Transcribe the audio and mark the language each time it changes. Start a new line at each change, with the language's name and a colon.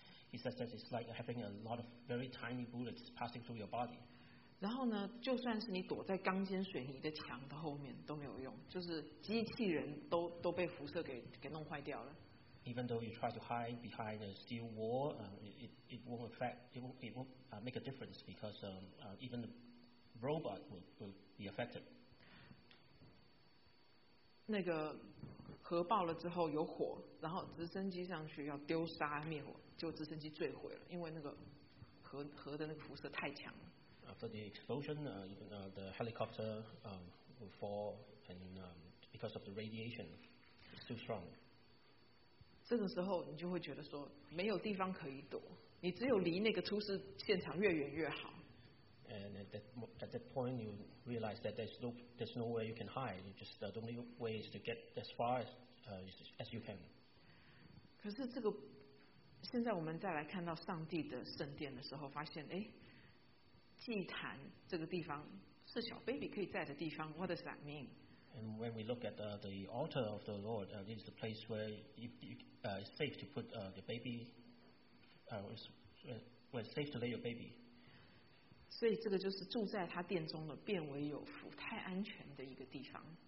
English: He says that it's like having a lot of very tiny bullets passing through your body.
Chinese: 然后呢，就算是你躲在钢筋水泥的墙的后面都没有用，就是机器人都被辐射给弄坏掉了。
English: Even though you try to hide behind a steel wall, it won't make a difference because even the robot will be affected.
Chinese: 那个核爆了之后有火，然后直升机上去要丢沙灭火，就直升机坠毁了，因为那个核的那个辐射太强了。
English: After the explosion, the helicopter will fall, and because of the radiation, it's too strong.
Chinese: 这个时候你就会觉得说没有地方可以躲，你只有离那个出事现场越远越好。
English: And at that point you realize that there's nowhere you can hide. You just the only way is to get as far as you can.
Chinese: 可是这个现在我们再来看到上帝的圣殿的时候，发现哎，祭坛这个地方是小 baby 可以在的地方。
English: What does that mean? And when we look at the altar of the Lord, this is the place where it's safe to put the baby, where it's safe to lay your baby.
Chinese: 所以这个就是住在他殿中的变为有福，太安全的一个地方。